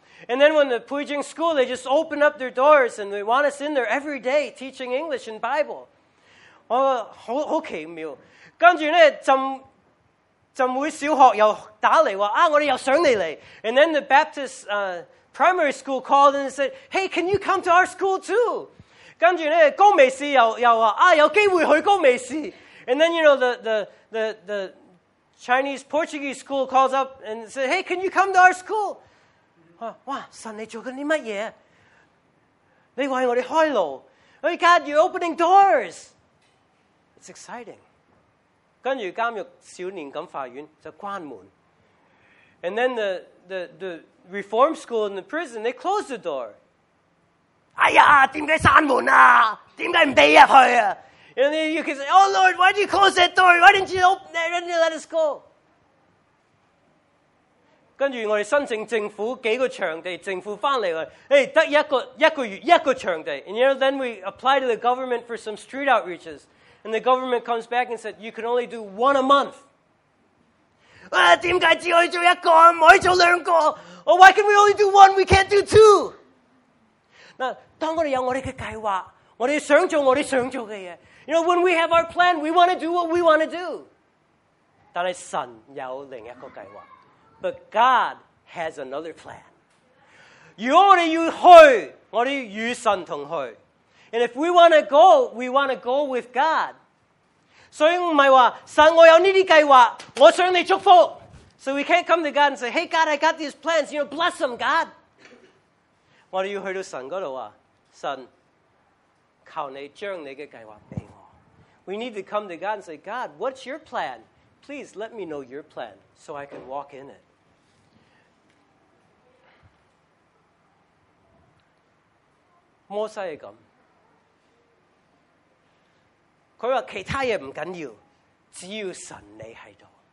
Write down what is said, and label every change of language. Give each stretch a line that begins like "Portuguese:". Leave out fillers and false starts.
English: And then when the Puijing school, they just open up their doors and they want us in there every day teaching English and Bible.
Chinese: 我好好奇妙。跟住呢，浸會小學又打嚟話，啊，我哋又想你嚟。
English: And then the Baptist primary school called and said, hey, can you come to our school too?
Chinese: 跟住呢，高美士又話，啊，有機會去高美士。
English: And then, you know, the Chinese Portuguese school calls up and said, hey, can you come to our school?
Chinese: 哇！神，你做紧啲乜嘢？你为我哋开路 ，
English: Oh God, you're opening doors. It's exciting.
Chinese: 跟住监狱少年感化院就关门
English: ，and then the reform school in the prison they close the door.
Chinese: 哎呀，点解闩门啊？点解唔俾入去啊
English: ？And then you can say, Oh Lord, why did you close that door? Why didn't you open that? Why didn't you let us go?
Chinese: 跟住我哋申请政府几个场地，政府翻嚟话：，诶，得一个月一个场地。
English: And you know, then we apply to the government for some street outreaches, and the government comes back and said you can only do one a month.
Chinese: 啊，点解只可以做一个，唔可以做两个 ？
English: Oh, why can we only do one? We can't do two.
Chinese: 嗱，当我哋有我哋嘅计划，我哋想做我哋想做嘅嘢。
English: You know, when we have our plan, we want to do what we want to do.
Chinese: 但系神有另一个计划。
English: But God has another plan.
Chinese: 如果我哋要去，我哋与神同去。
English: And if we want to go, we want to go with God.
Chinese: 所以唔系话神，我有呢啲计划，我想你祝福。
English: So we can't come to God and say, "Hey, God, I got these plans. You know, bless them, God."
Chinese: 我哋要去到神嗰度话，神，求你将你嘅计划俾我。
English: We need to come to God and say, "God, what's your plan?" Please let me know your plan so I can walk in it.
Chinese: 摩西系咁，佢话其他嘢唔紧要，只要神你喺度。